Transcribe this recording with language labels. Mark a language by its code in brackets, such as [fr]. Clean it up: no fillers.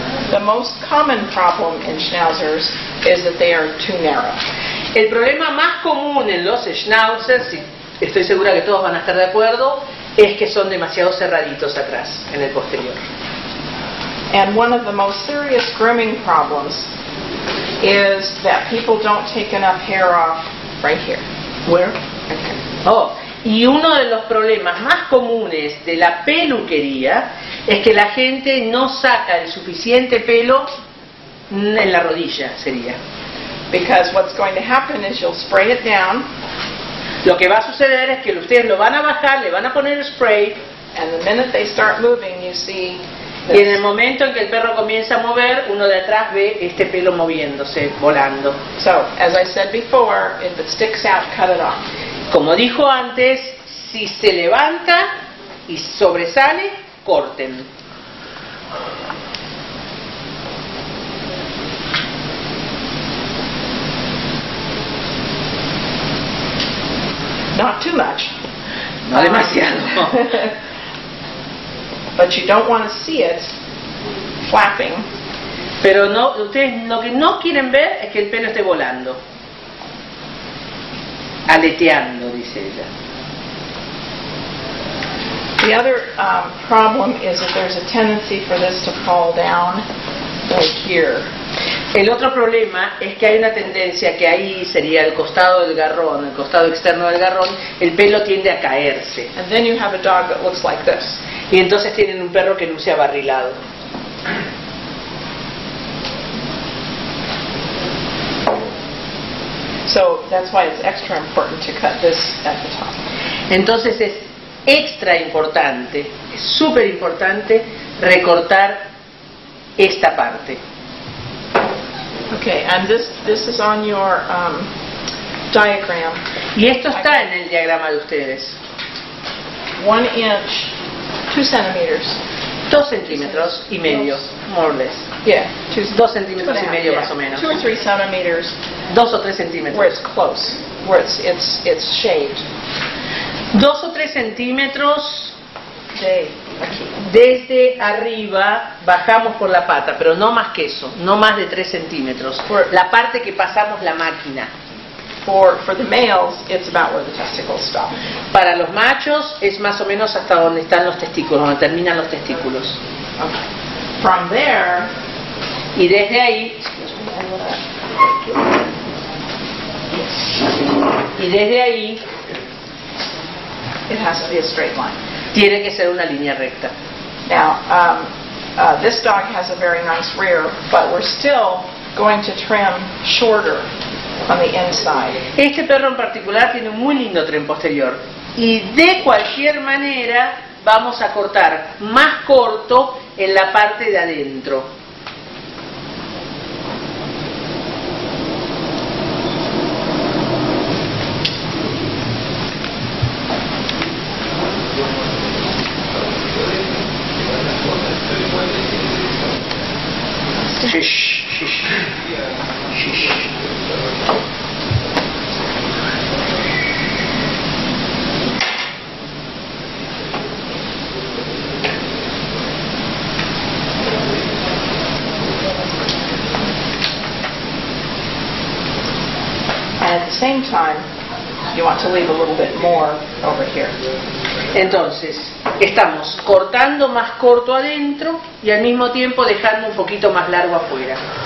[en] The most common problem in schnauzers is that they are too narrow. [es] El problema más común en los schnauzers, y estoy segura que todos van a estar de acuerdo, es que son demasiado cerraditos atrás, en el posterior. [en] And one of the most serious grooming problems is that people don't take enough hair off right here. Where? [es] Oh, y uno de los problemas más comunes de la peluquería es que la gente no saca el suficiente pelo en la rodilla, sería. [en] Because what's going to happen is you'll spray it down. [es] Lo que va a suceder es que ustedes lo van a bajar, le van a poner el spray. [en] And the minute they start moving, you see. [es] Y en el momento en que el perro comienza a mover, uno de atrás ve este pelo moviéndose, volando. [en] So, as I said before, if it sticks out, cut it off. [es] Como dijo antes, si se levanta y sobresale, corten. [en] Not too much. [es] No demasiado. [en] But you don't want to see it flapping. [es] Pero no, ustedes lo que no quieren ver es que el pelo esté volando. Aleteando, dice ella. [en] The other problem is that there's a tendency for this to fall down right here. [es] El otro problema es que hay una tendencia que ahí sería el costado del garrón, el costado externo del garrón, el pelo tiende a caerse. [en] And then you have a dog that looks like this. [es] Y entonces tienen un perro que luce abarrilado. [en] So that's why it's extra important to cut this at the top. [es] Entonces es extra importante, es súper importante recortar esta parte. [en] Okay, and this is on your diagram. [es] Y esto está en el diagrama de ustedes. [en] 1 inch, 2 centimeters. [es] 2 centímetros y medio, [en] more or less. Yeah, [es] 2 centímetros y medio, yeah, más o menos. [en] 2 or 3 centimeters. [es] 2 o 3 centímetros. [en] Where it's close, where it's shaved. [es] 2 o 3 centímetros. Desde arriba bajamos por la pata, pero no más que eso, no más de 3 centímetros. La parte que pasamos la máquina. [en] For the males, it's about where the testicles stop. [es] Para los machos es más o menos hasta donde están los testículos, donde terminan los testículos. [en] Okay. From there, [es] y desde ahí. Y desde ahí. [en] It has to be a straight line. [es] Tiene que ser una línea recta. [en] Now, this dog has a very nice rear, but we're still going to trim shorter on the inside. [es] Este perro en particular tiene un muy lindo trim posterior. Y de cualquier manera, vamos a cortar más corto en la parte de adentro. [en] At the same time, you want to leave a little bit more over here. [es] Entonces, estamos cortando más corto adentro y al mismo tiempo dejando un poquito más largo afuera.